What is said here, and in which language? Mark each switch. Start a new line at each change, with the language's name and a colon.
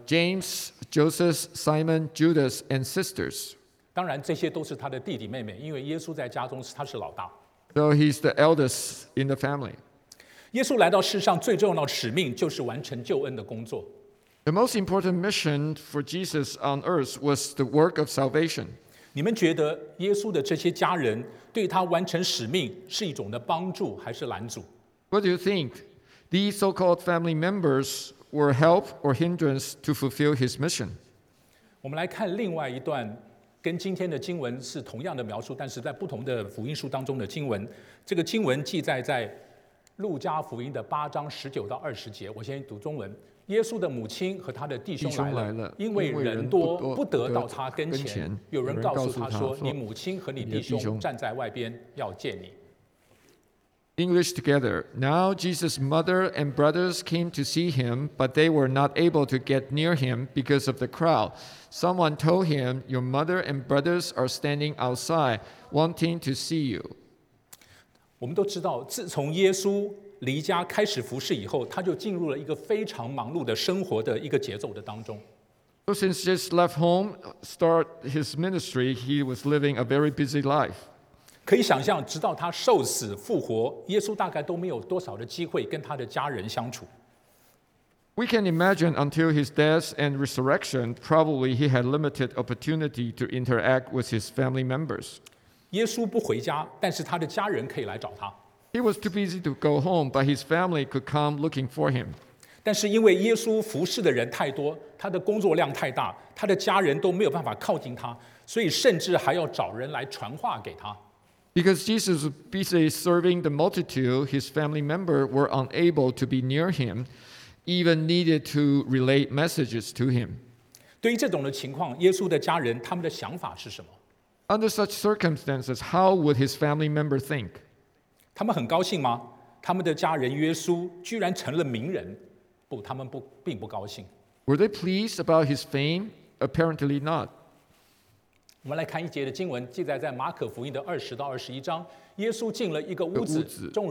English: James, Joseph, Simon, Judas, and sisters.
Chinese: 当然这些都是他的弟弟妹妹，因为耶稣在家中他是老大。
English: So he's the eldest in the family.
Chinese: 耶稣来到世上最重要的使命就是完成救恩的工作。
English: The most important mission for Jesus on earth was the work of salvation.
Chinese: 你们觉得耶稣的这些家人对他完成使命是一种的帮助还是拦阻？
English: What do you think? These so-called family members were help or hindrance to fulfill his mission.
Chinese: 我们来看另外一段跟今天的经文是同样的描述，但是在不同的福音书当中的经文。这个经文记载在路加福音的8:19-20。我先读中文：耶稣的母亲和他的弟兄来了，因为人多不得到他跟前，有人告诉他说：“你母亲和你弟兄站在外边要见你。”
English: English together. Now Jesus' mother and brothers came to see him, but they were not able to get near him because of the crowd. Someone told him, "Your mother and brothers are standing outside, wanting to see you."
Chinese: 我们都知道，自从耶稣离家开始服事以后，他就进入了一个非常忙碌的生活的一个节奏的当中。
English: So since Jesus left home, start his ministry, he was living a very busy life.
Chinese: 可以想象，直到他受死复活，耶稣大概都没有多少的机会跟他的家人相处。
English: We can imagine until his death and resurrection, probably he had limited opportunity to interact with his family members.
Chinese: 耶稣不回家，但是他的家人可以来找他。
English: He was too busy to go home, but his family could come looking for him.
Chinese: 但是因为耶稣服侍的人太多，他的工作量太大，他的家人都没有办法靠近他，所以甚至还要找人来传话给他。
English: Because Jesus was busy serving the multitude, his family members were unable to be near him, even needed to relay messages to him.
Chinese: 对于这种的情况，耶稣的家人他们的想法是什么？
English: Under such circumstances, how would his family members think?
Chinese: 他们很高兴吗？他们的家人耶稣居然成了名人？不，他们并不高兴。
English: Were they pleased about his fame? Apparently not.
Chinese: 我们来看一节的经文，记载在马可福音的20-21。耶稣进了一个屋子，众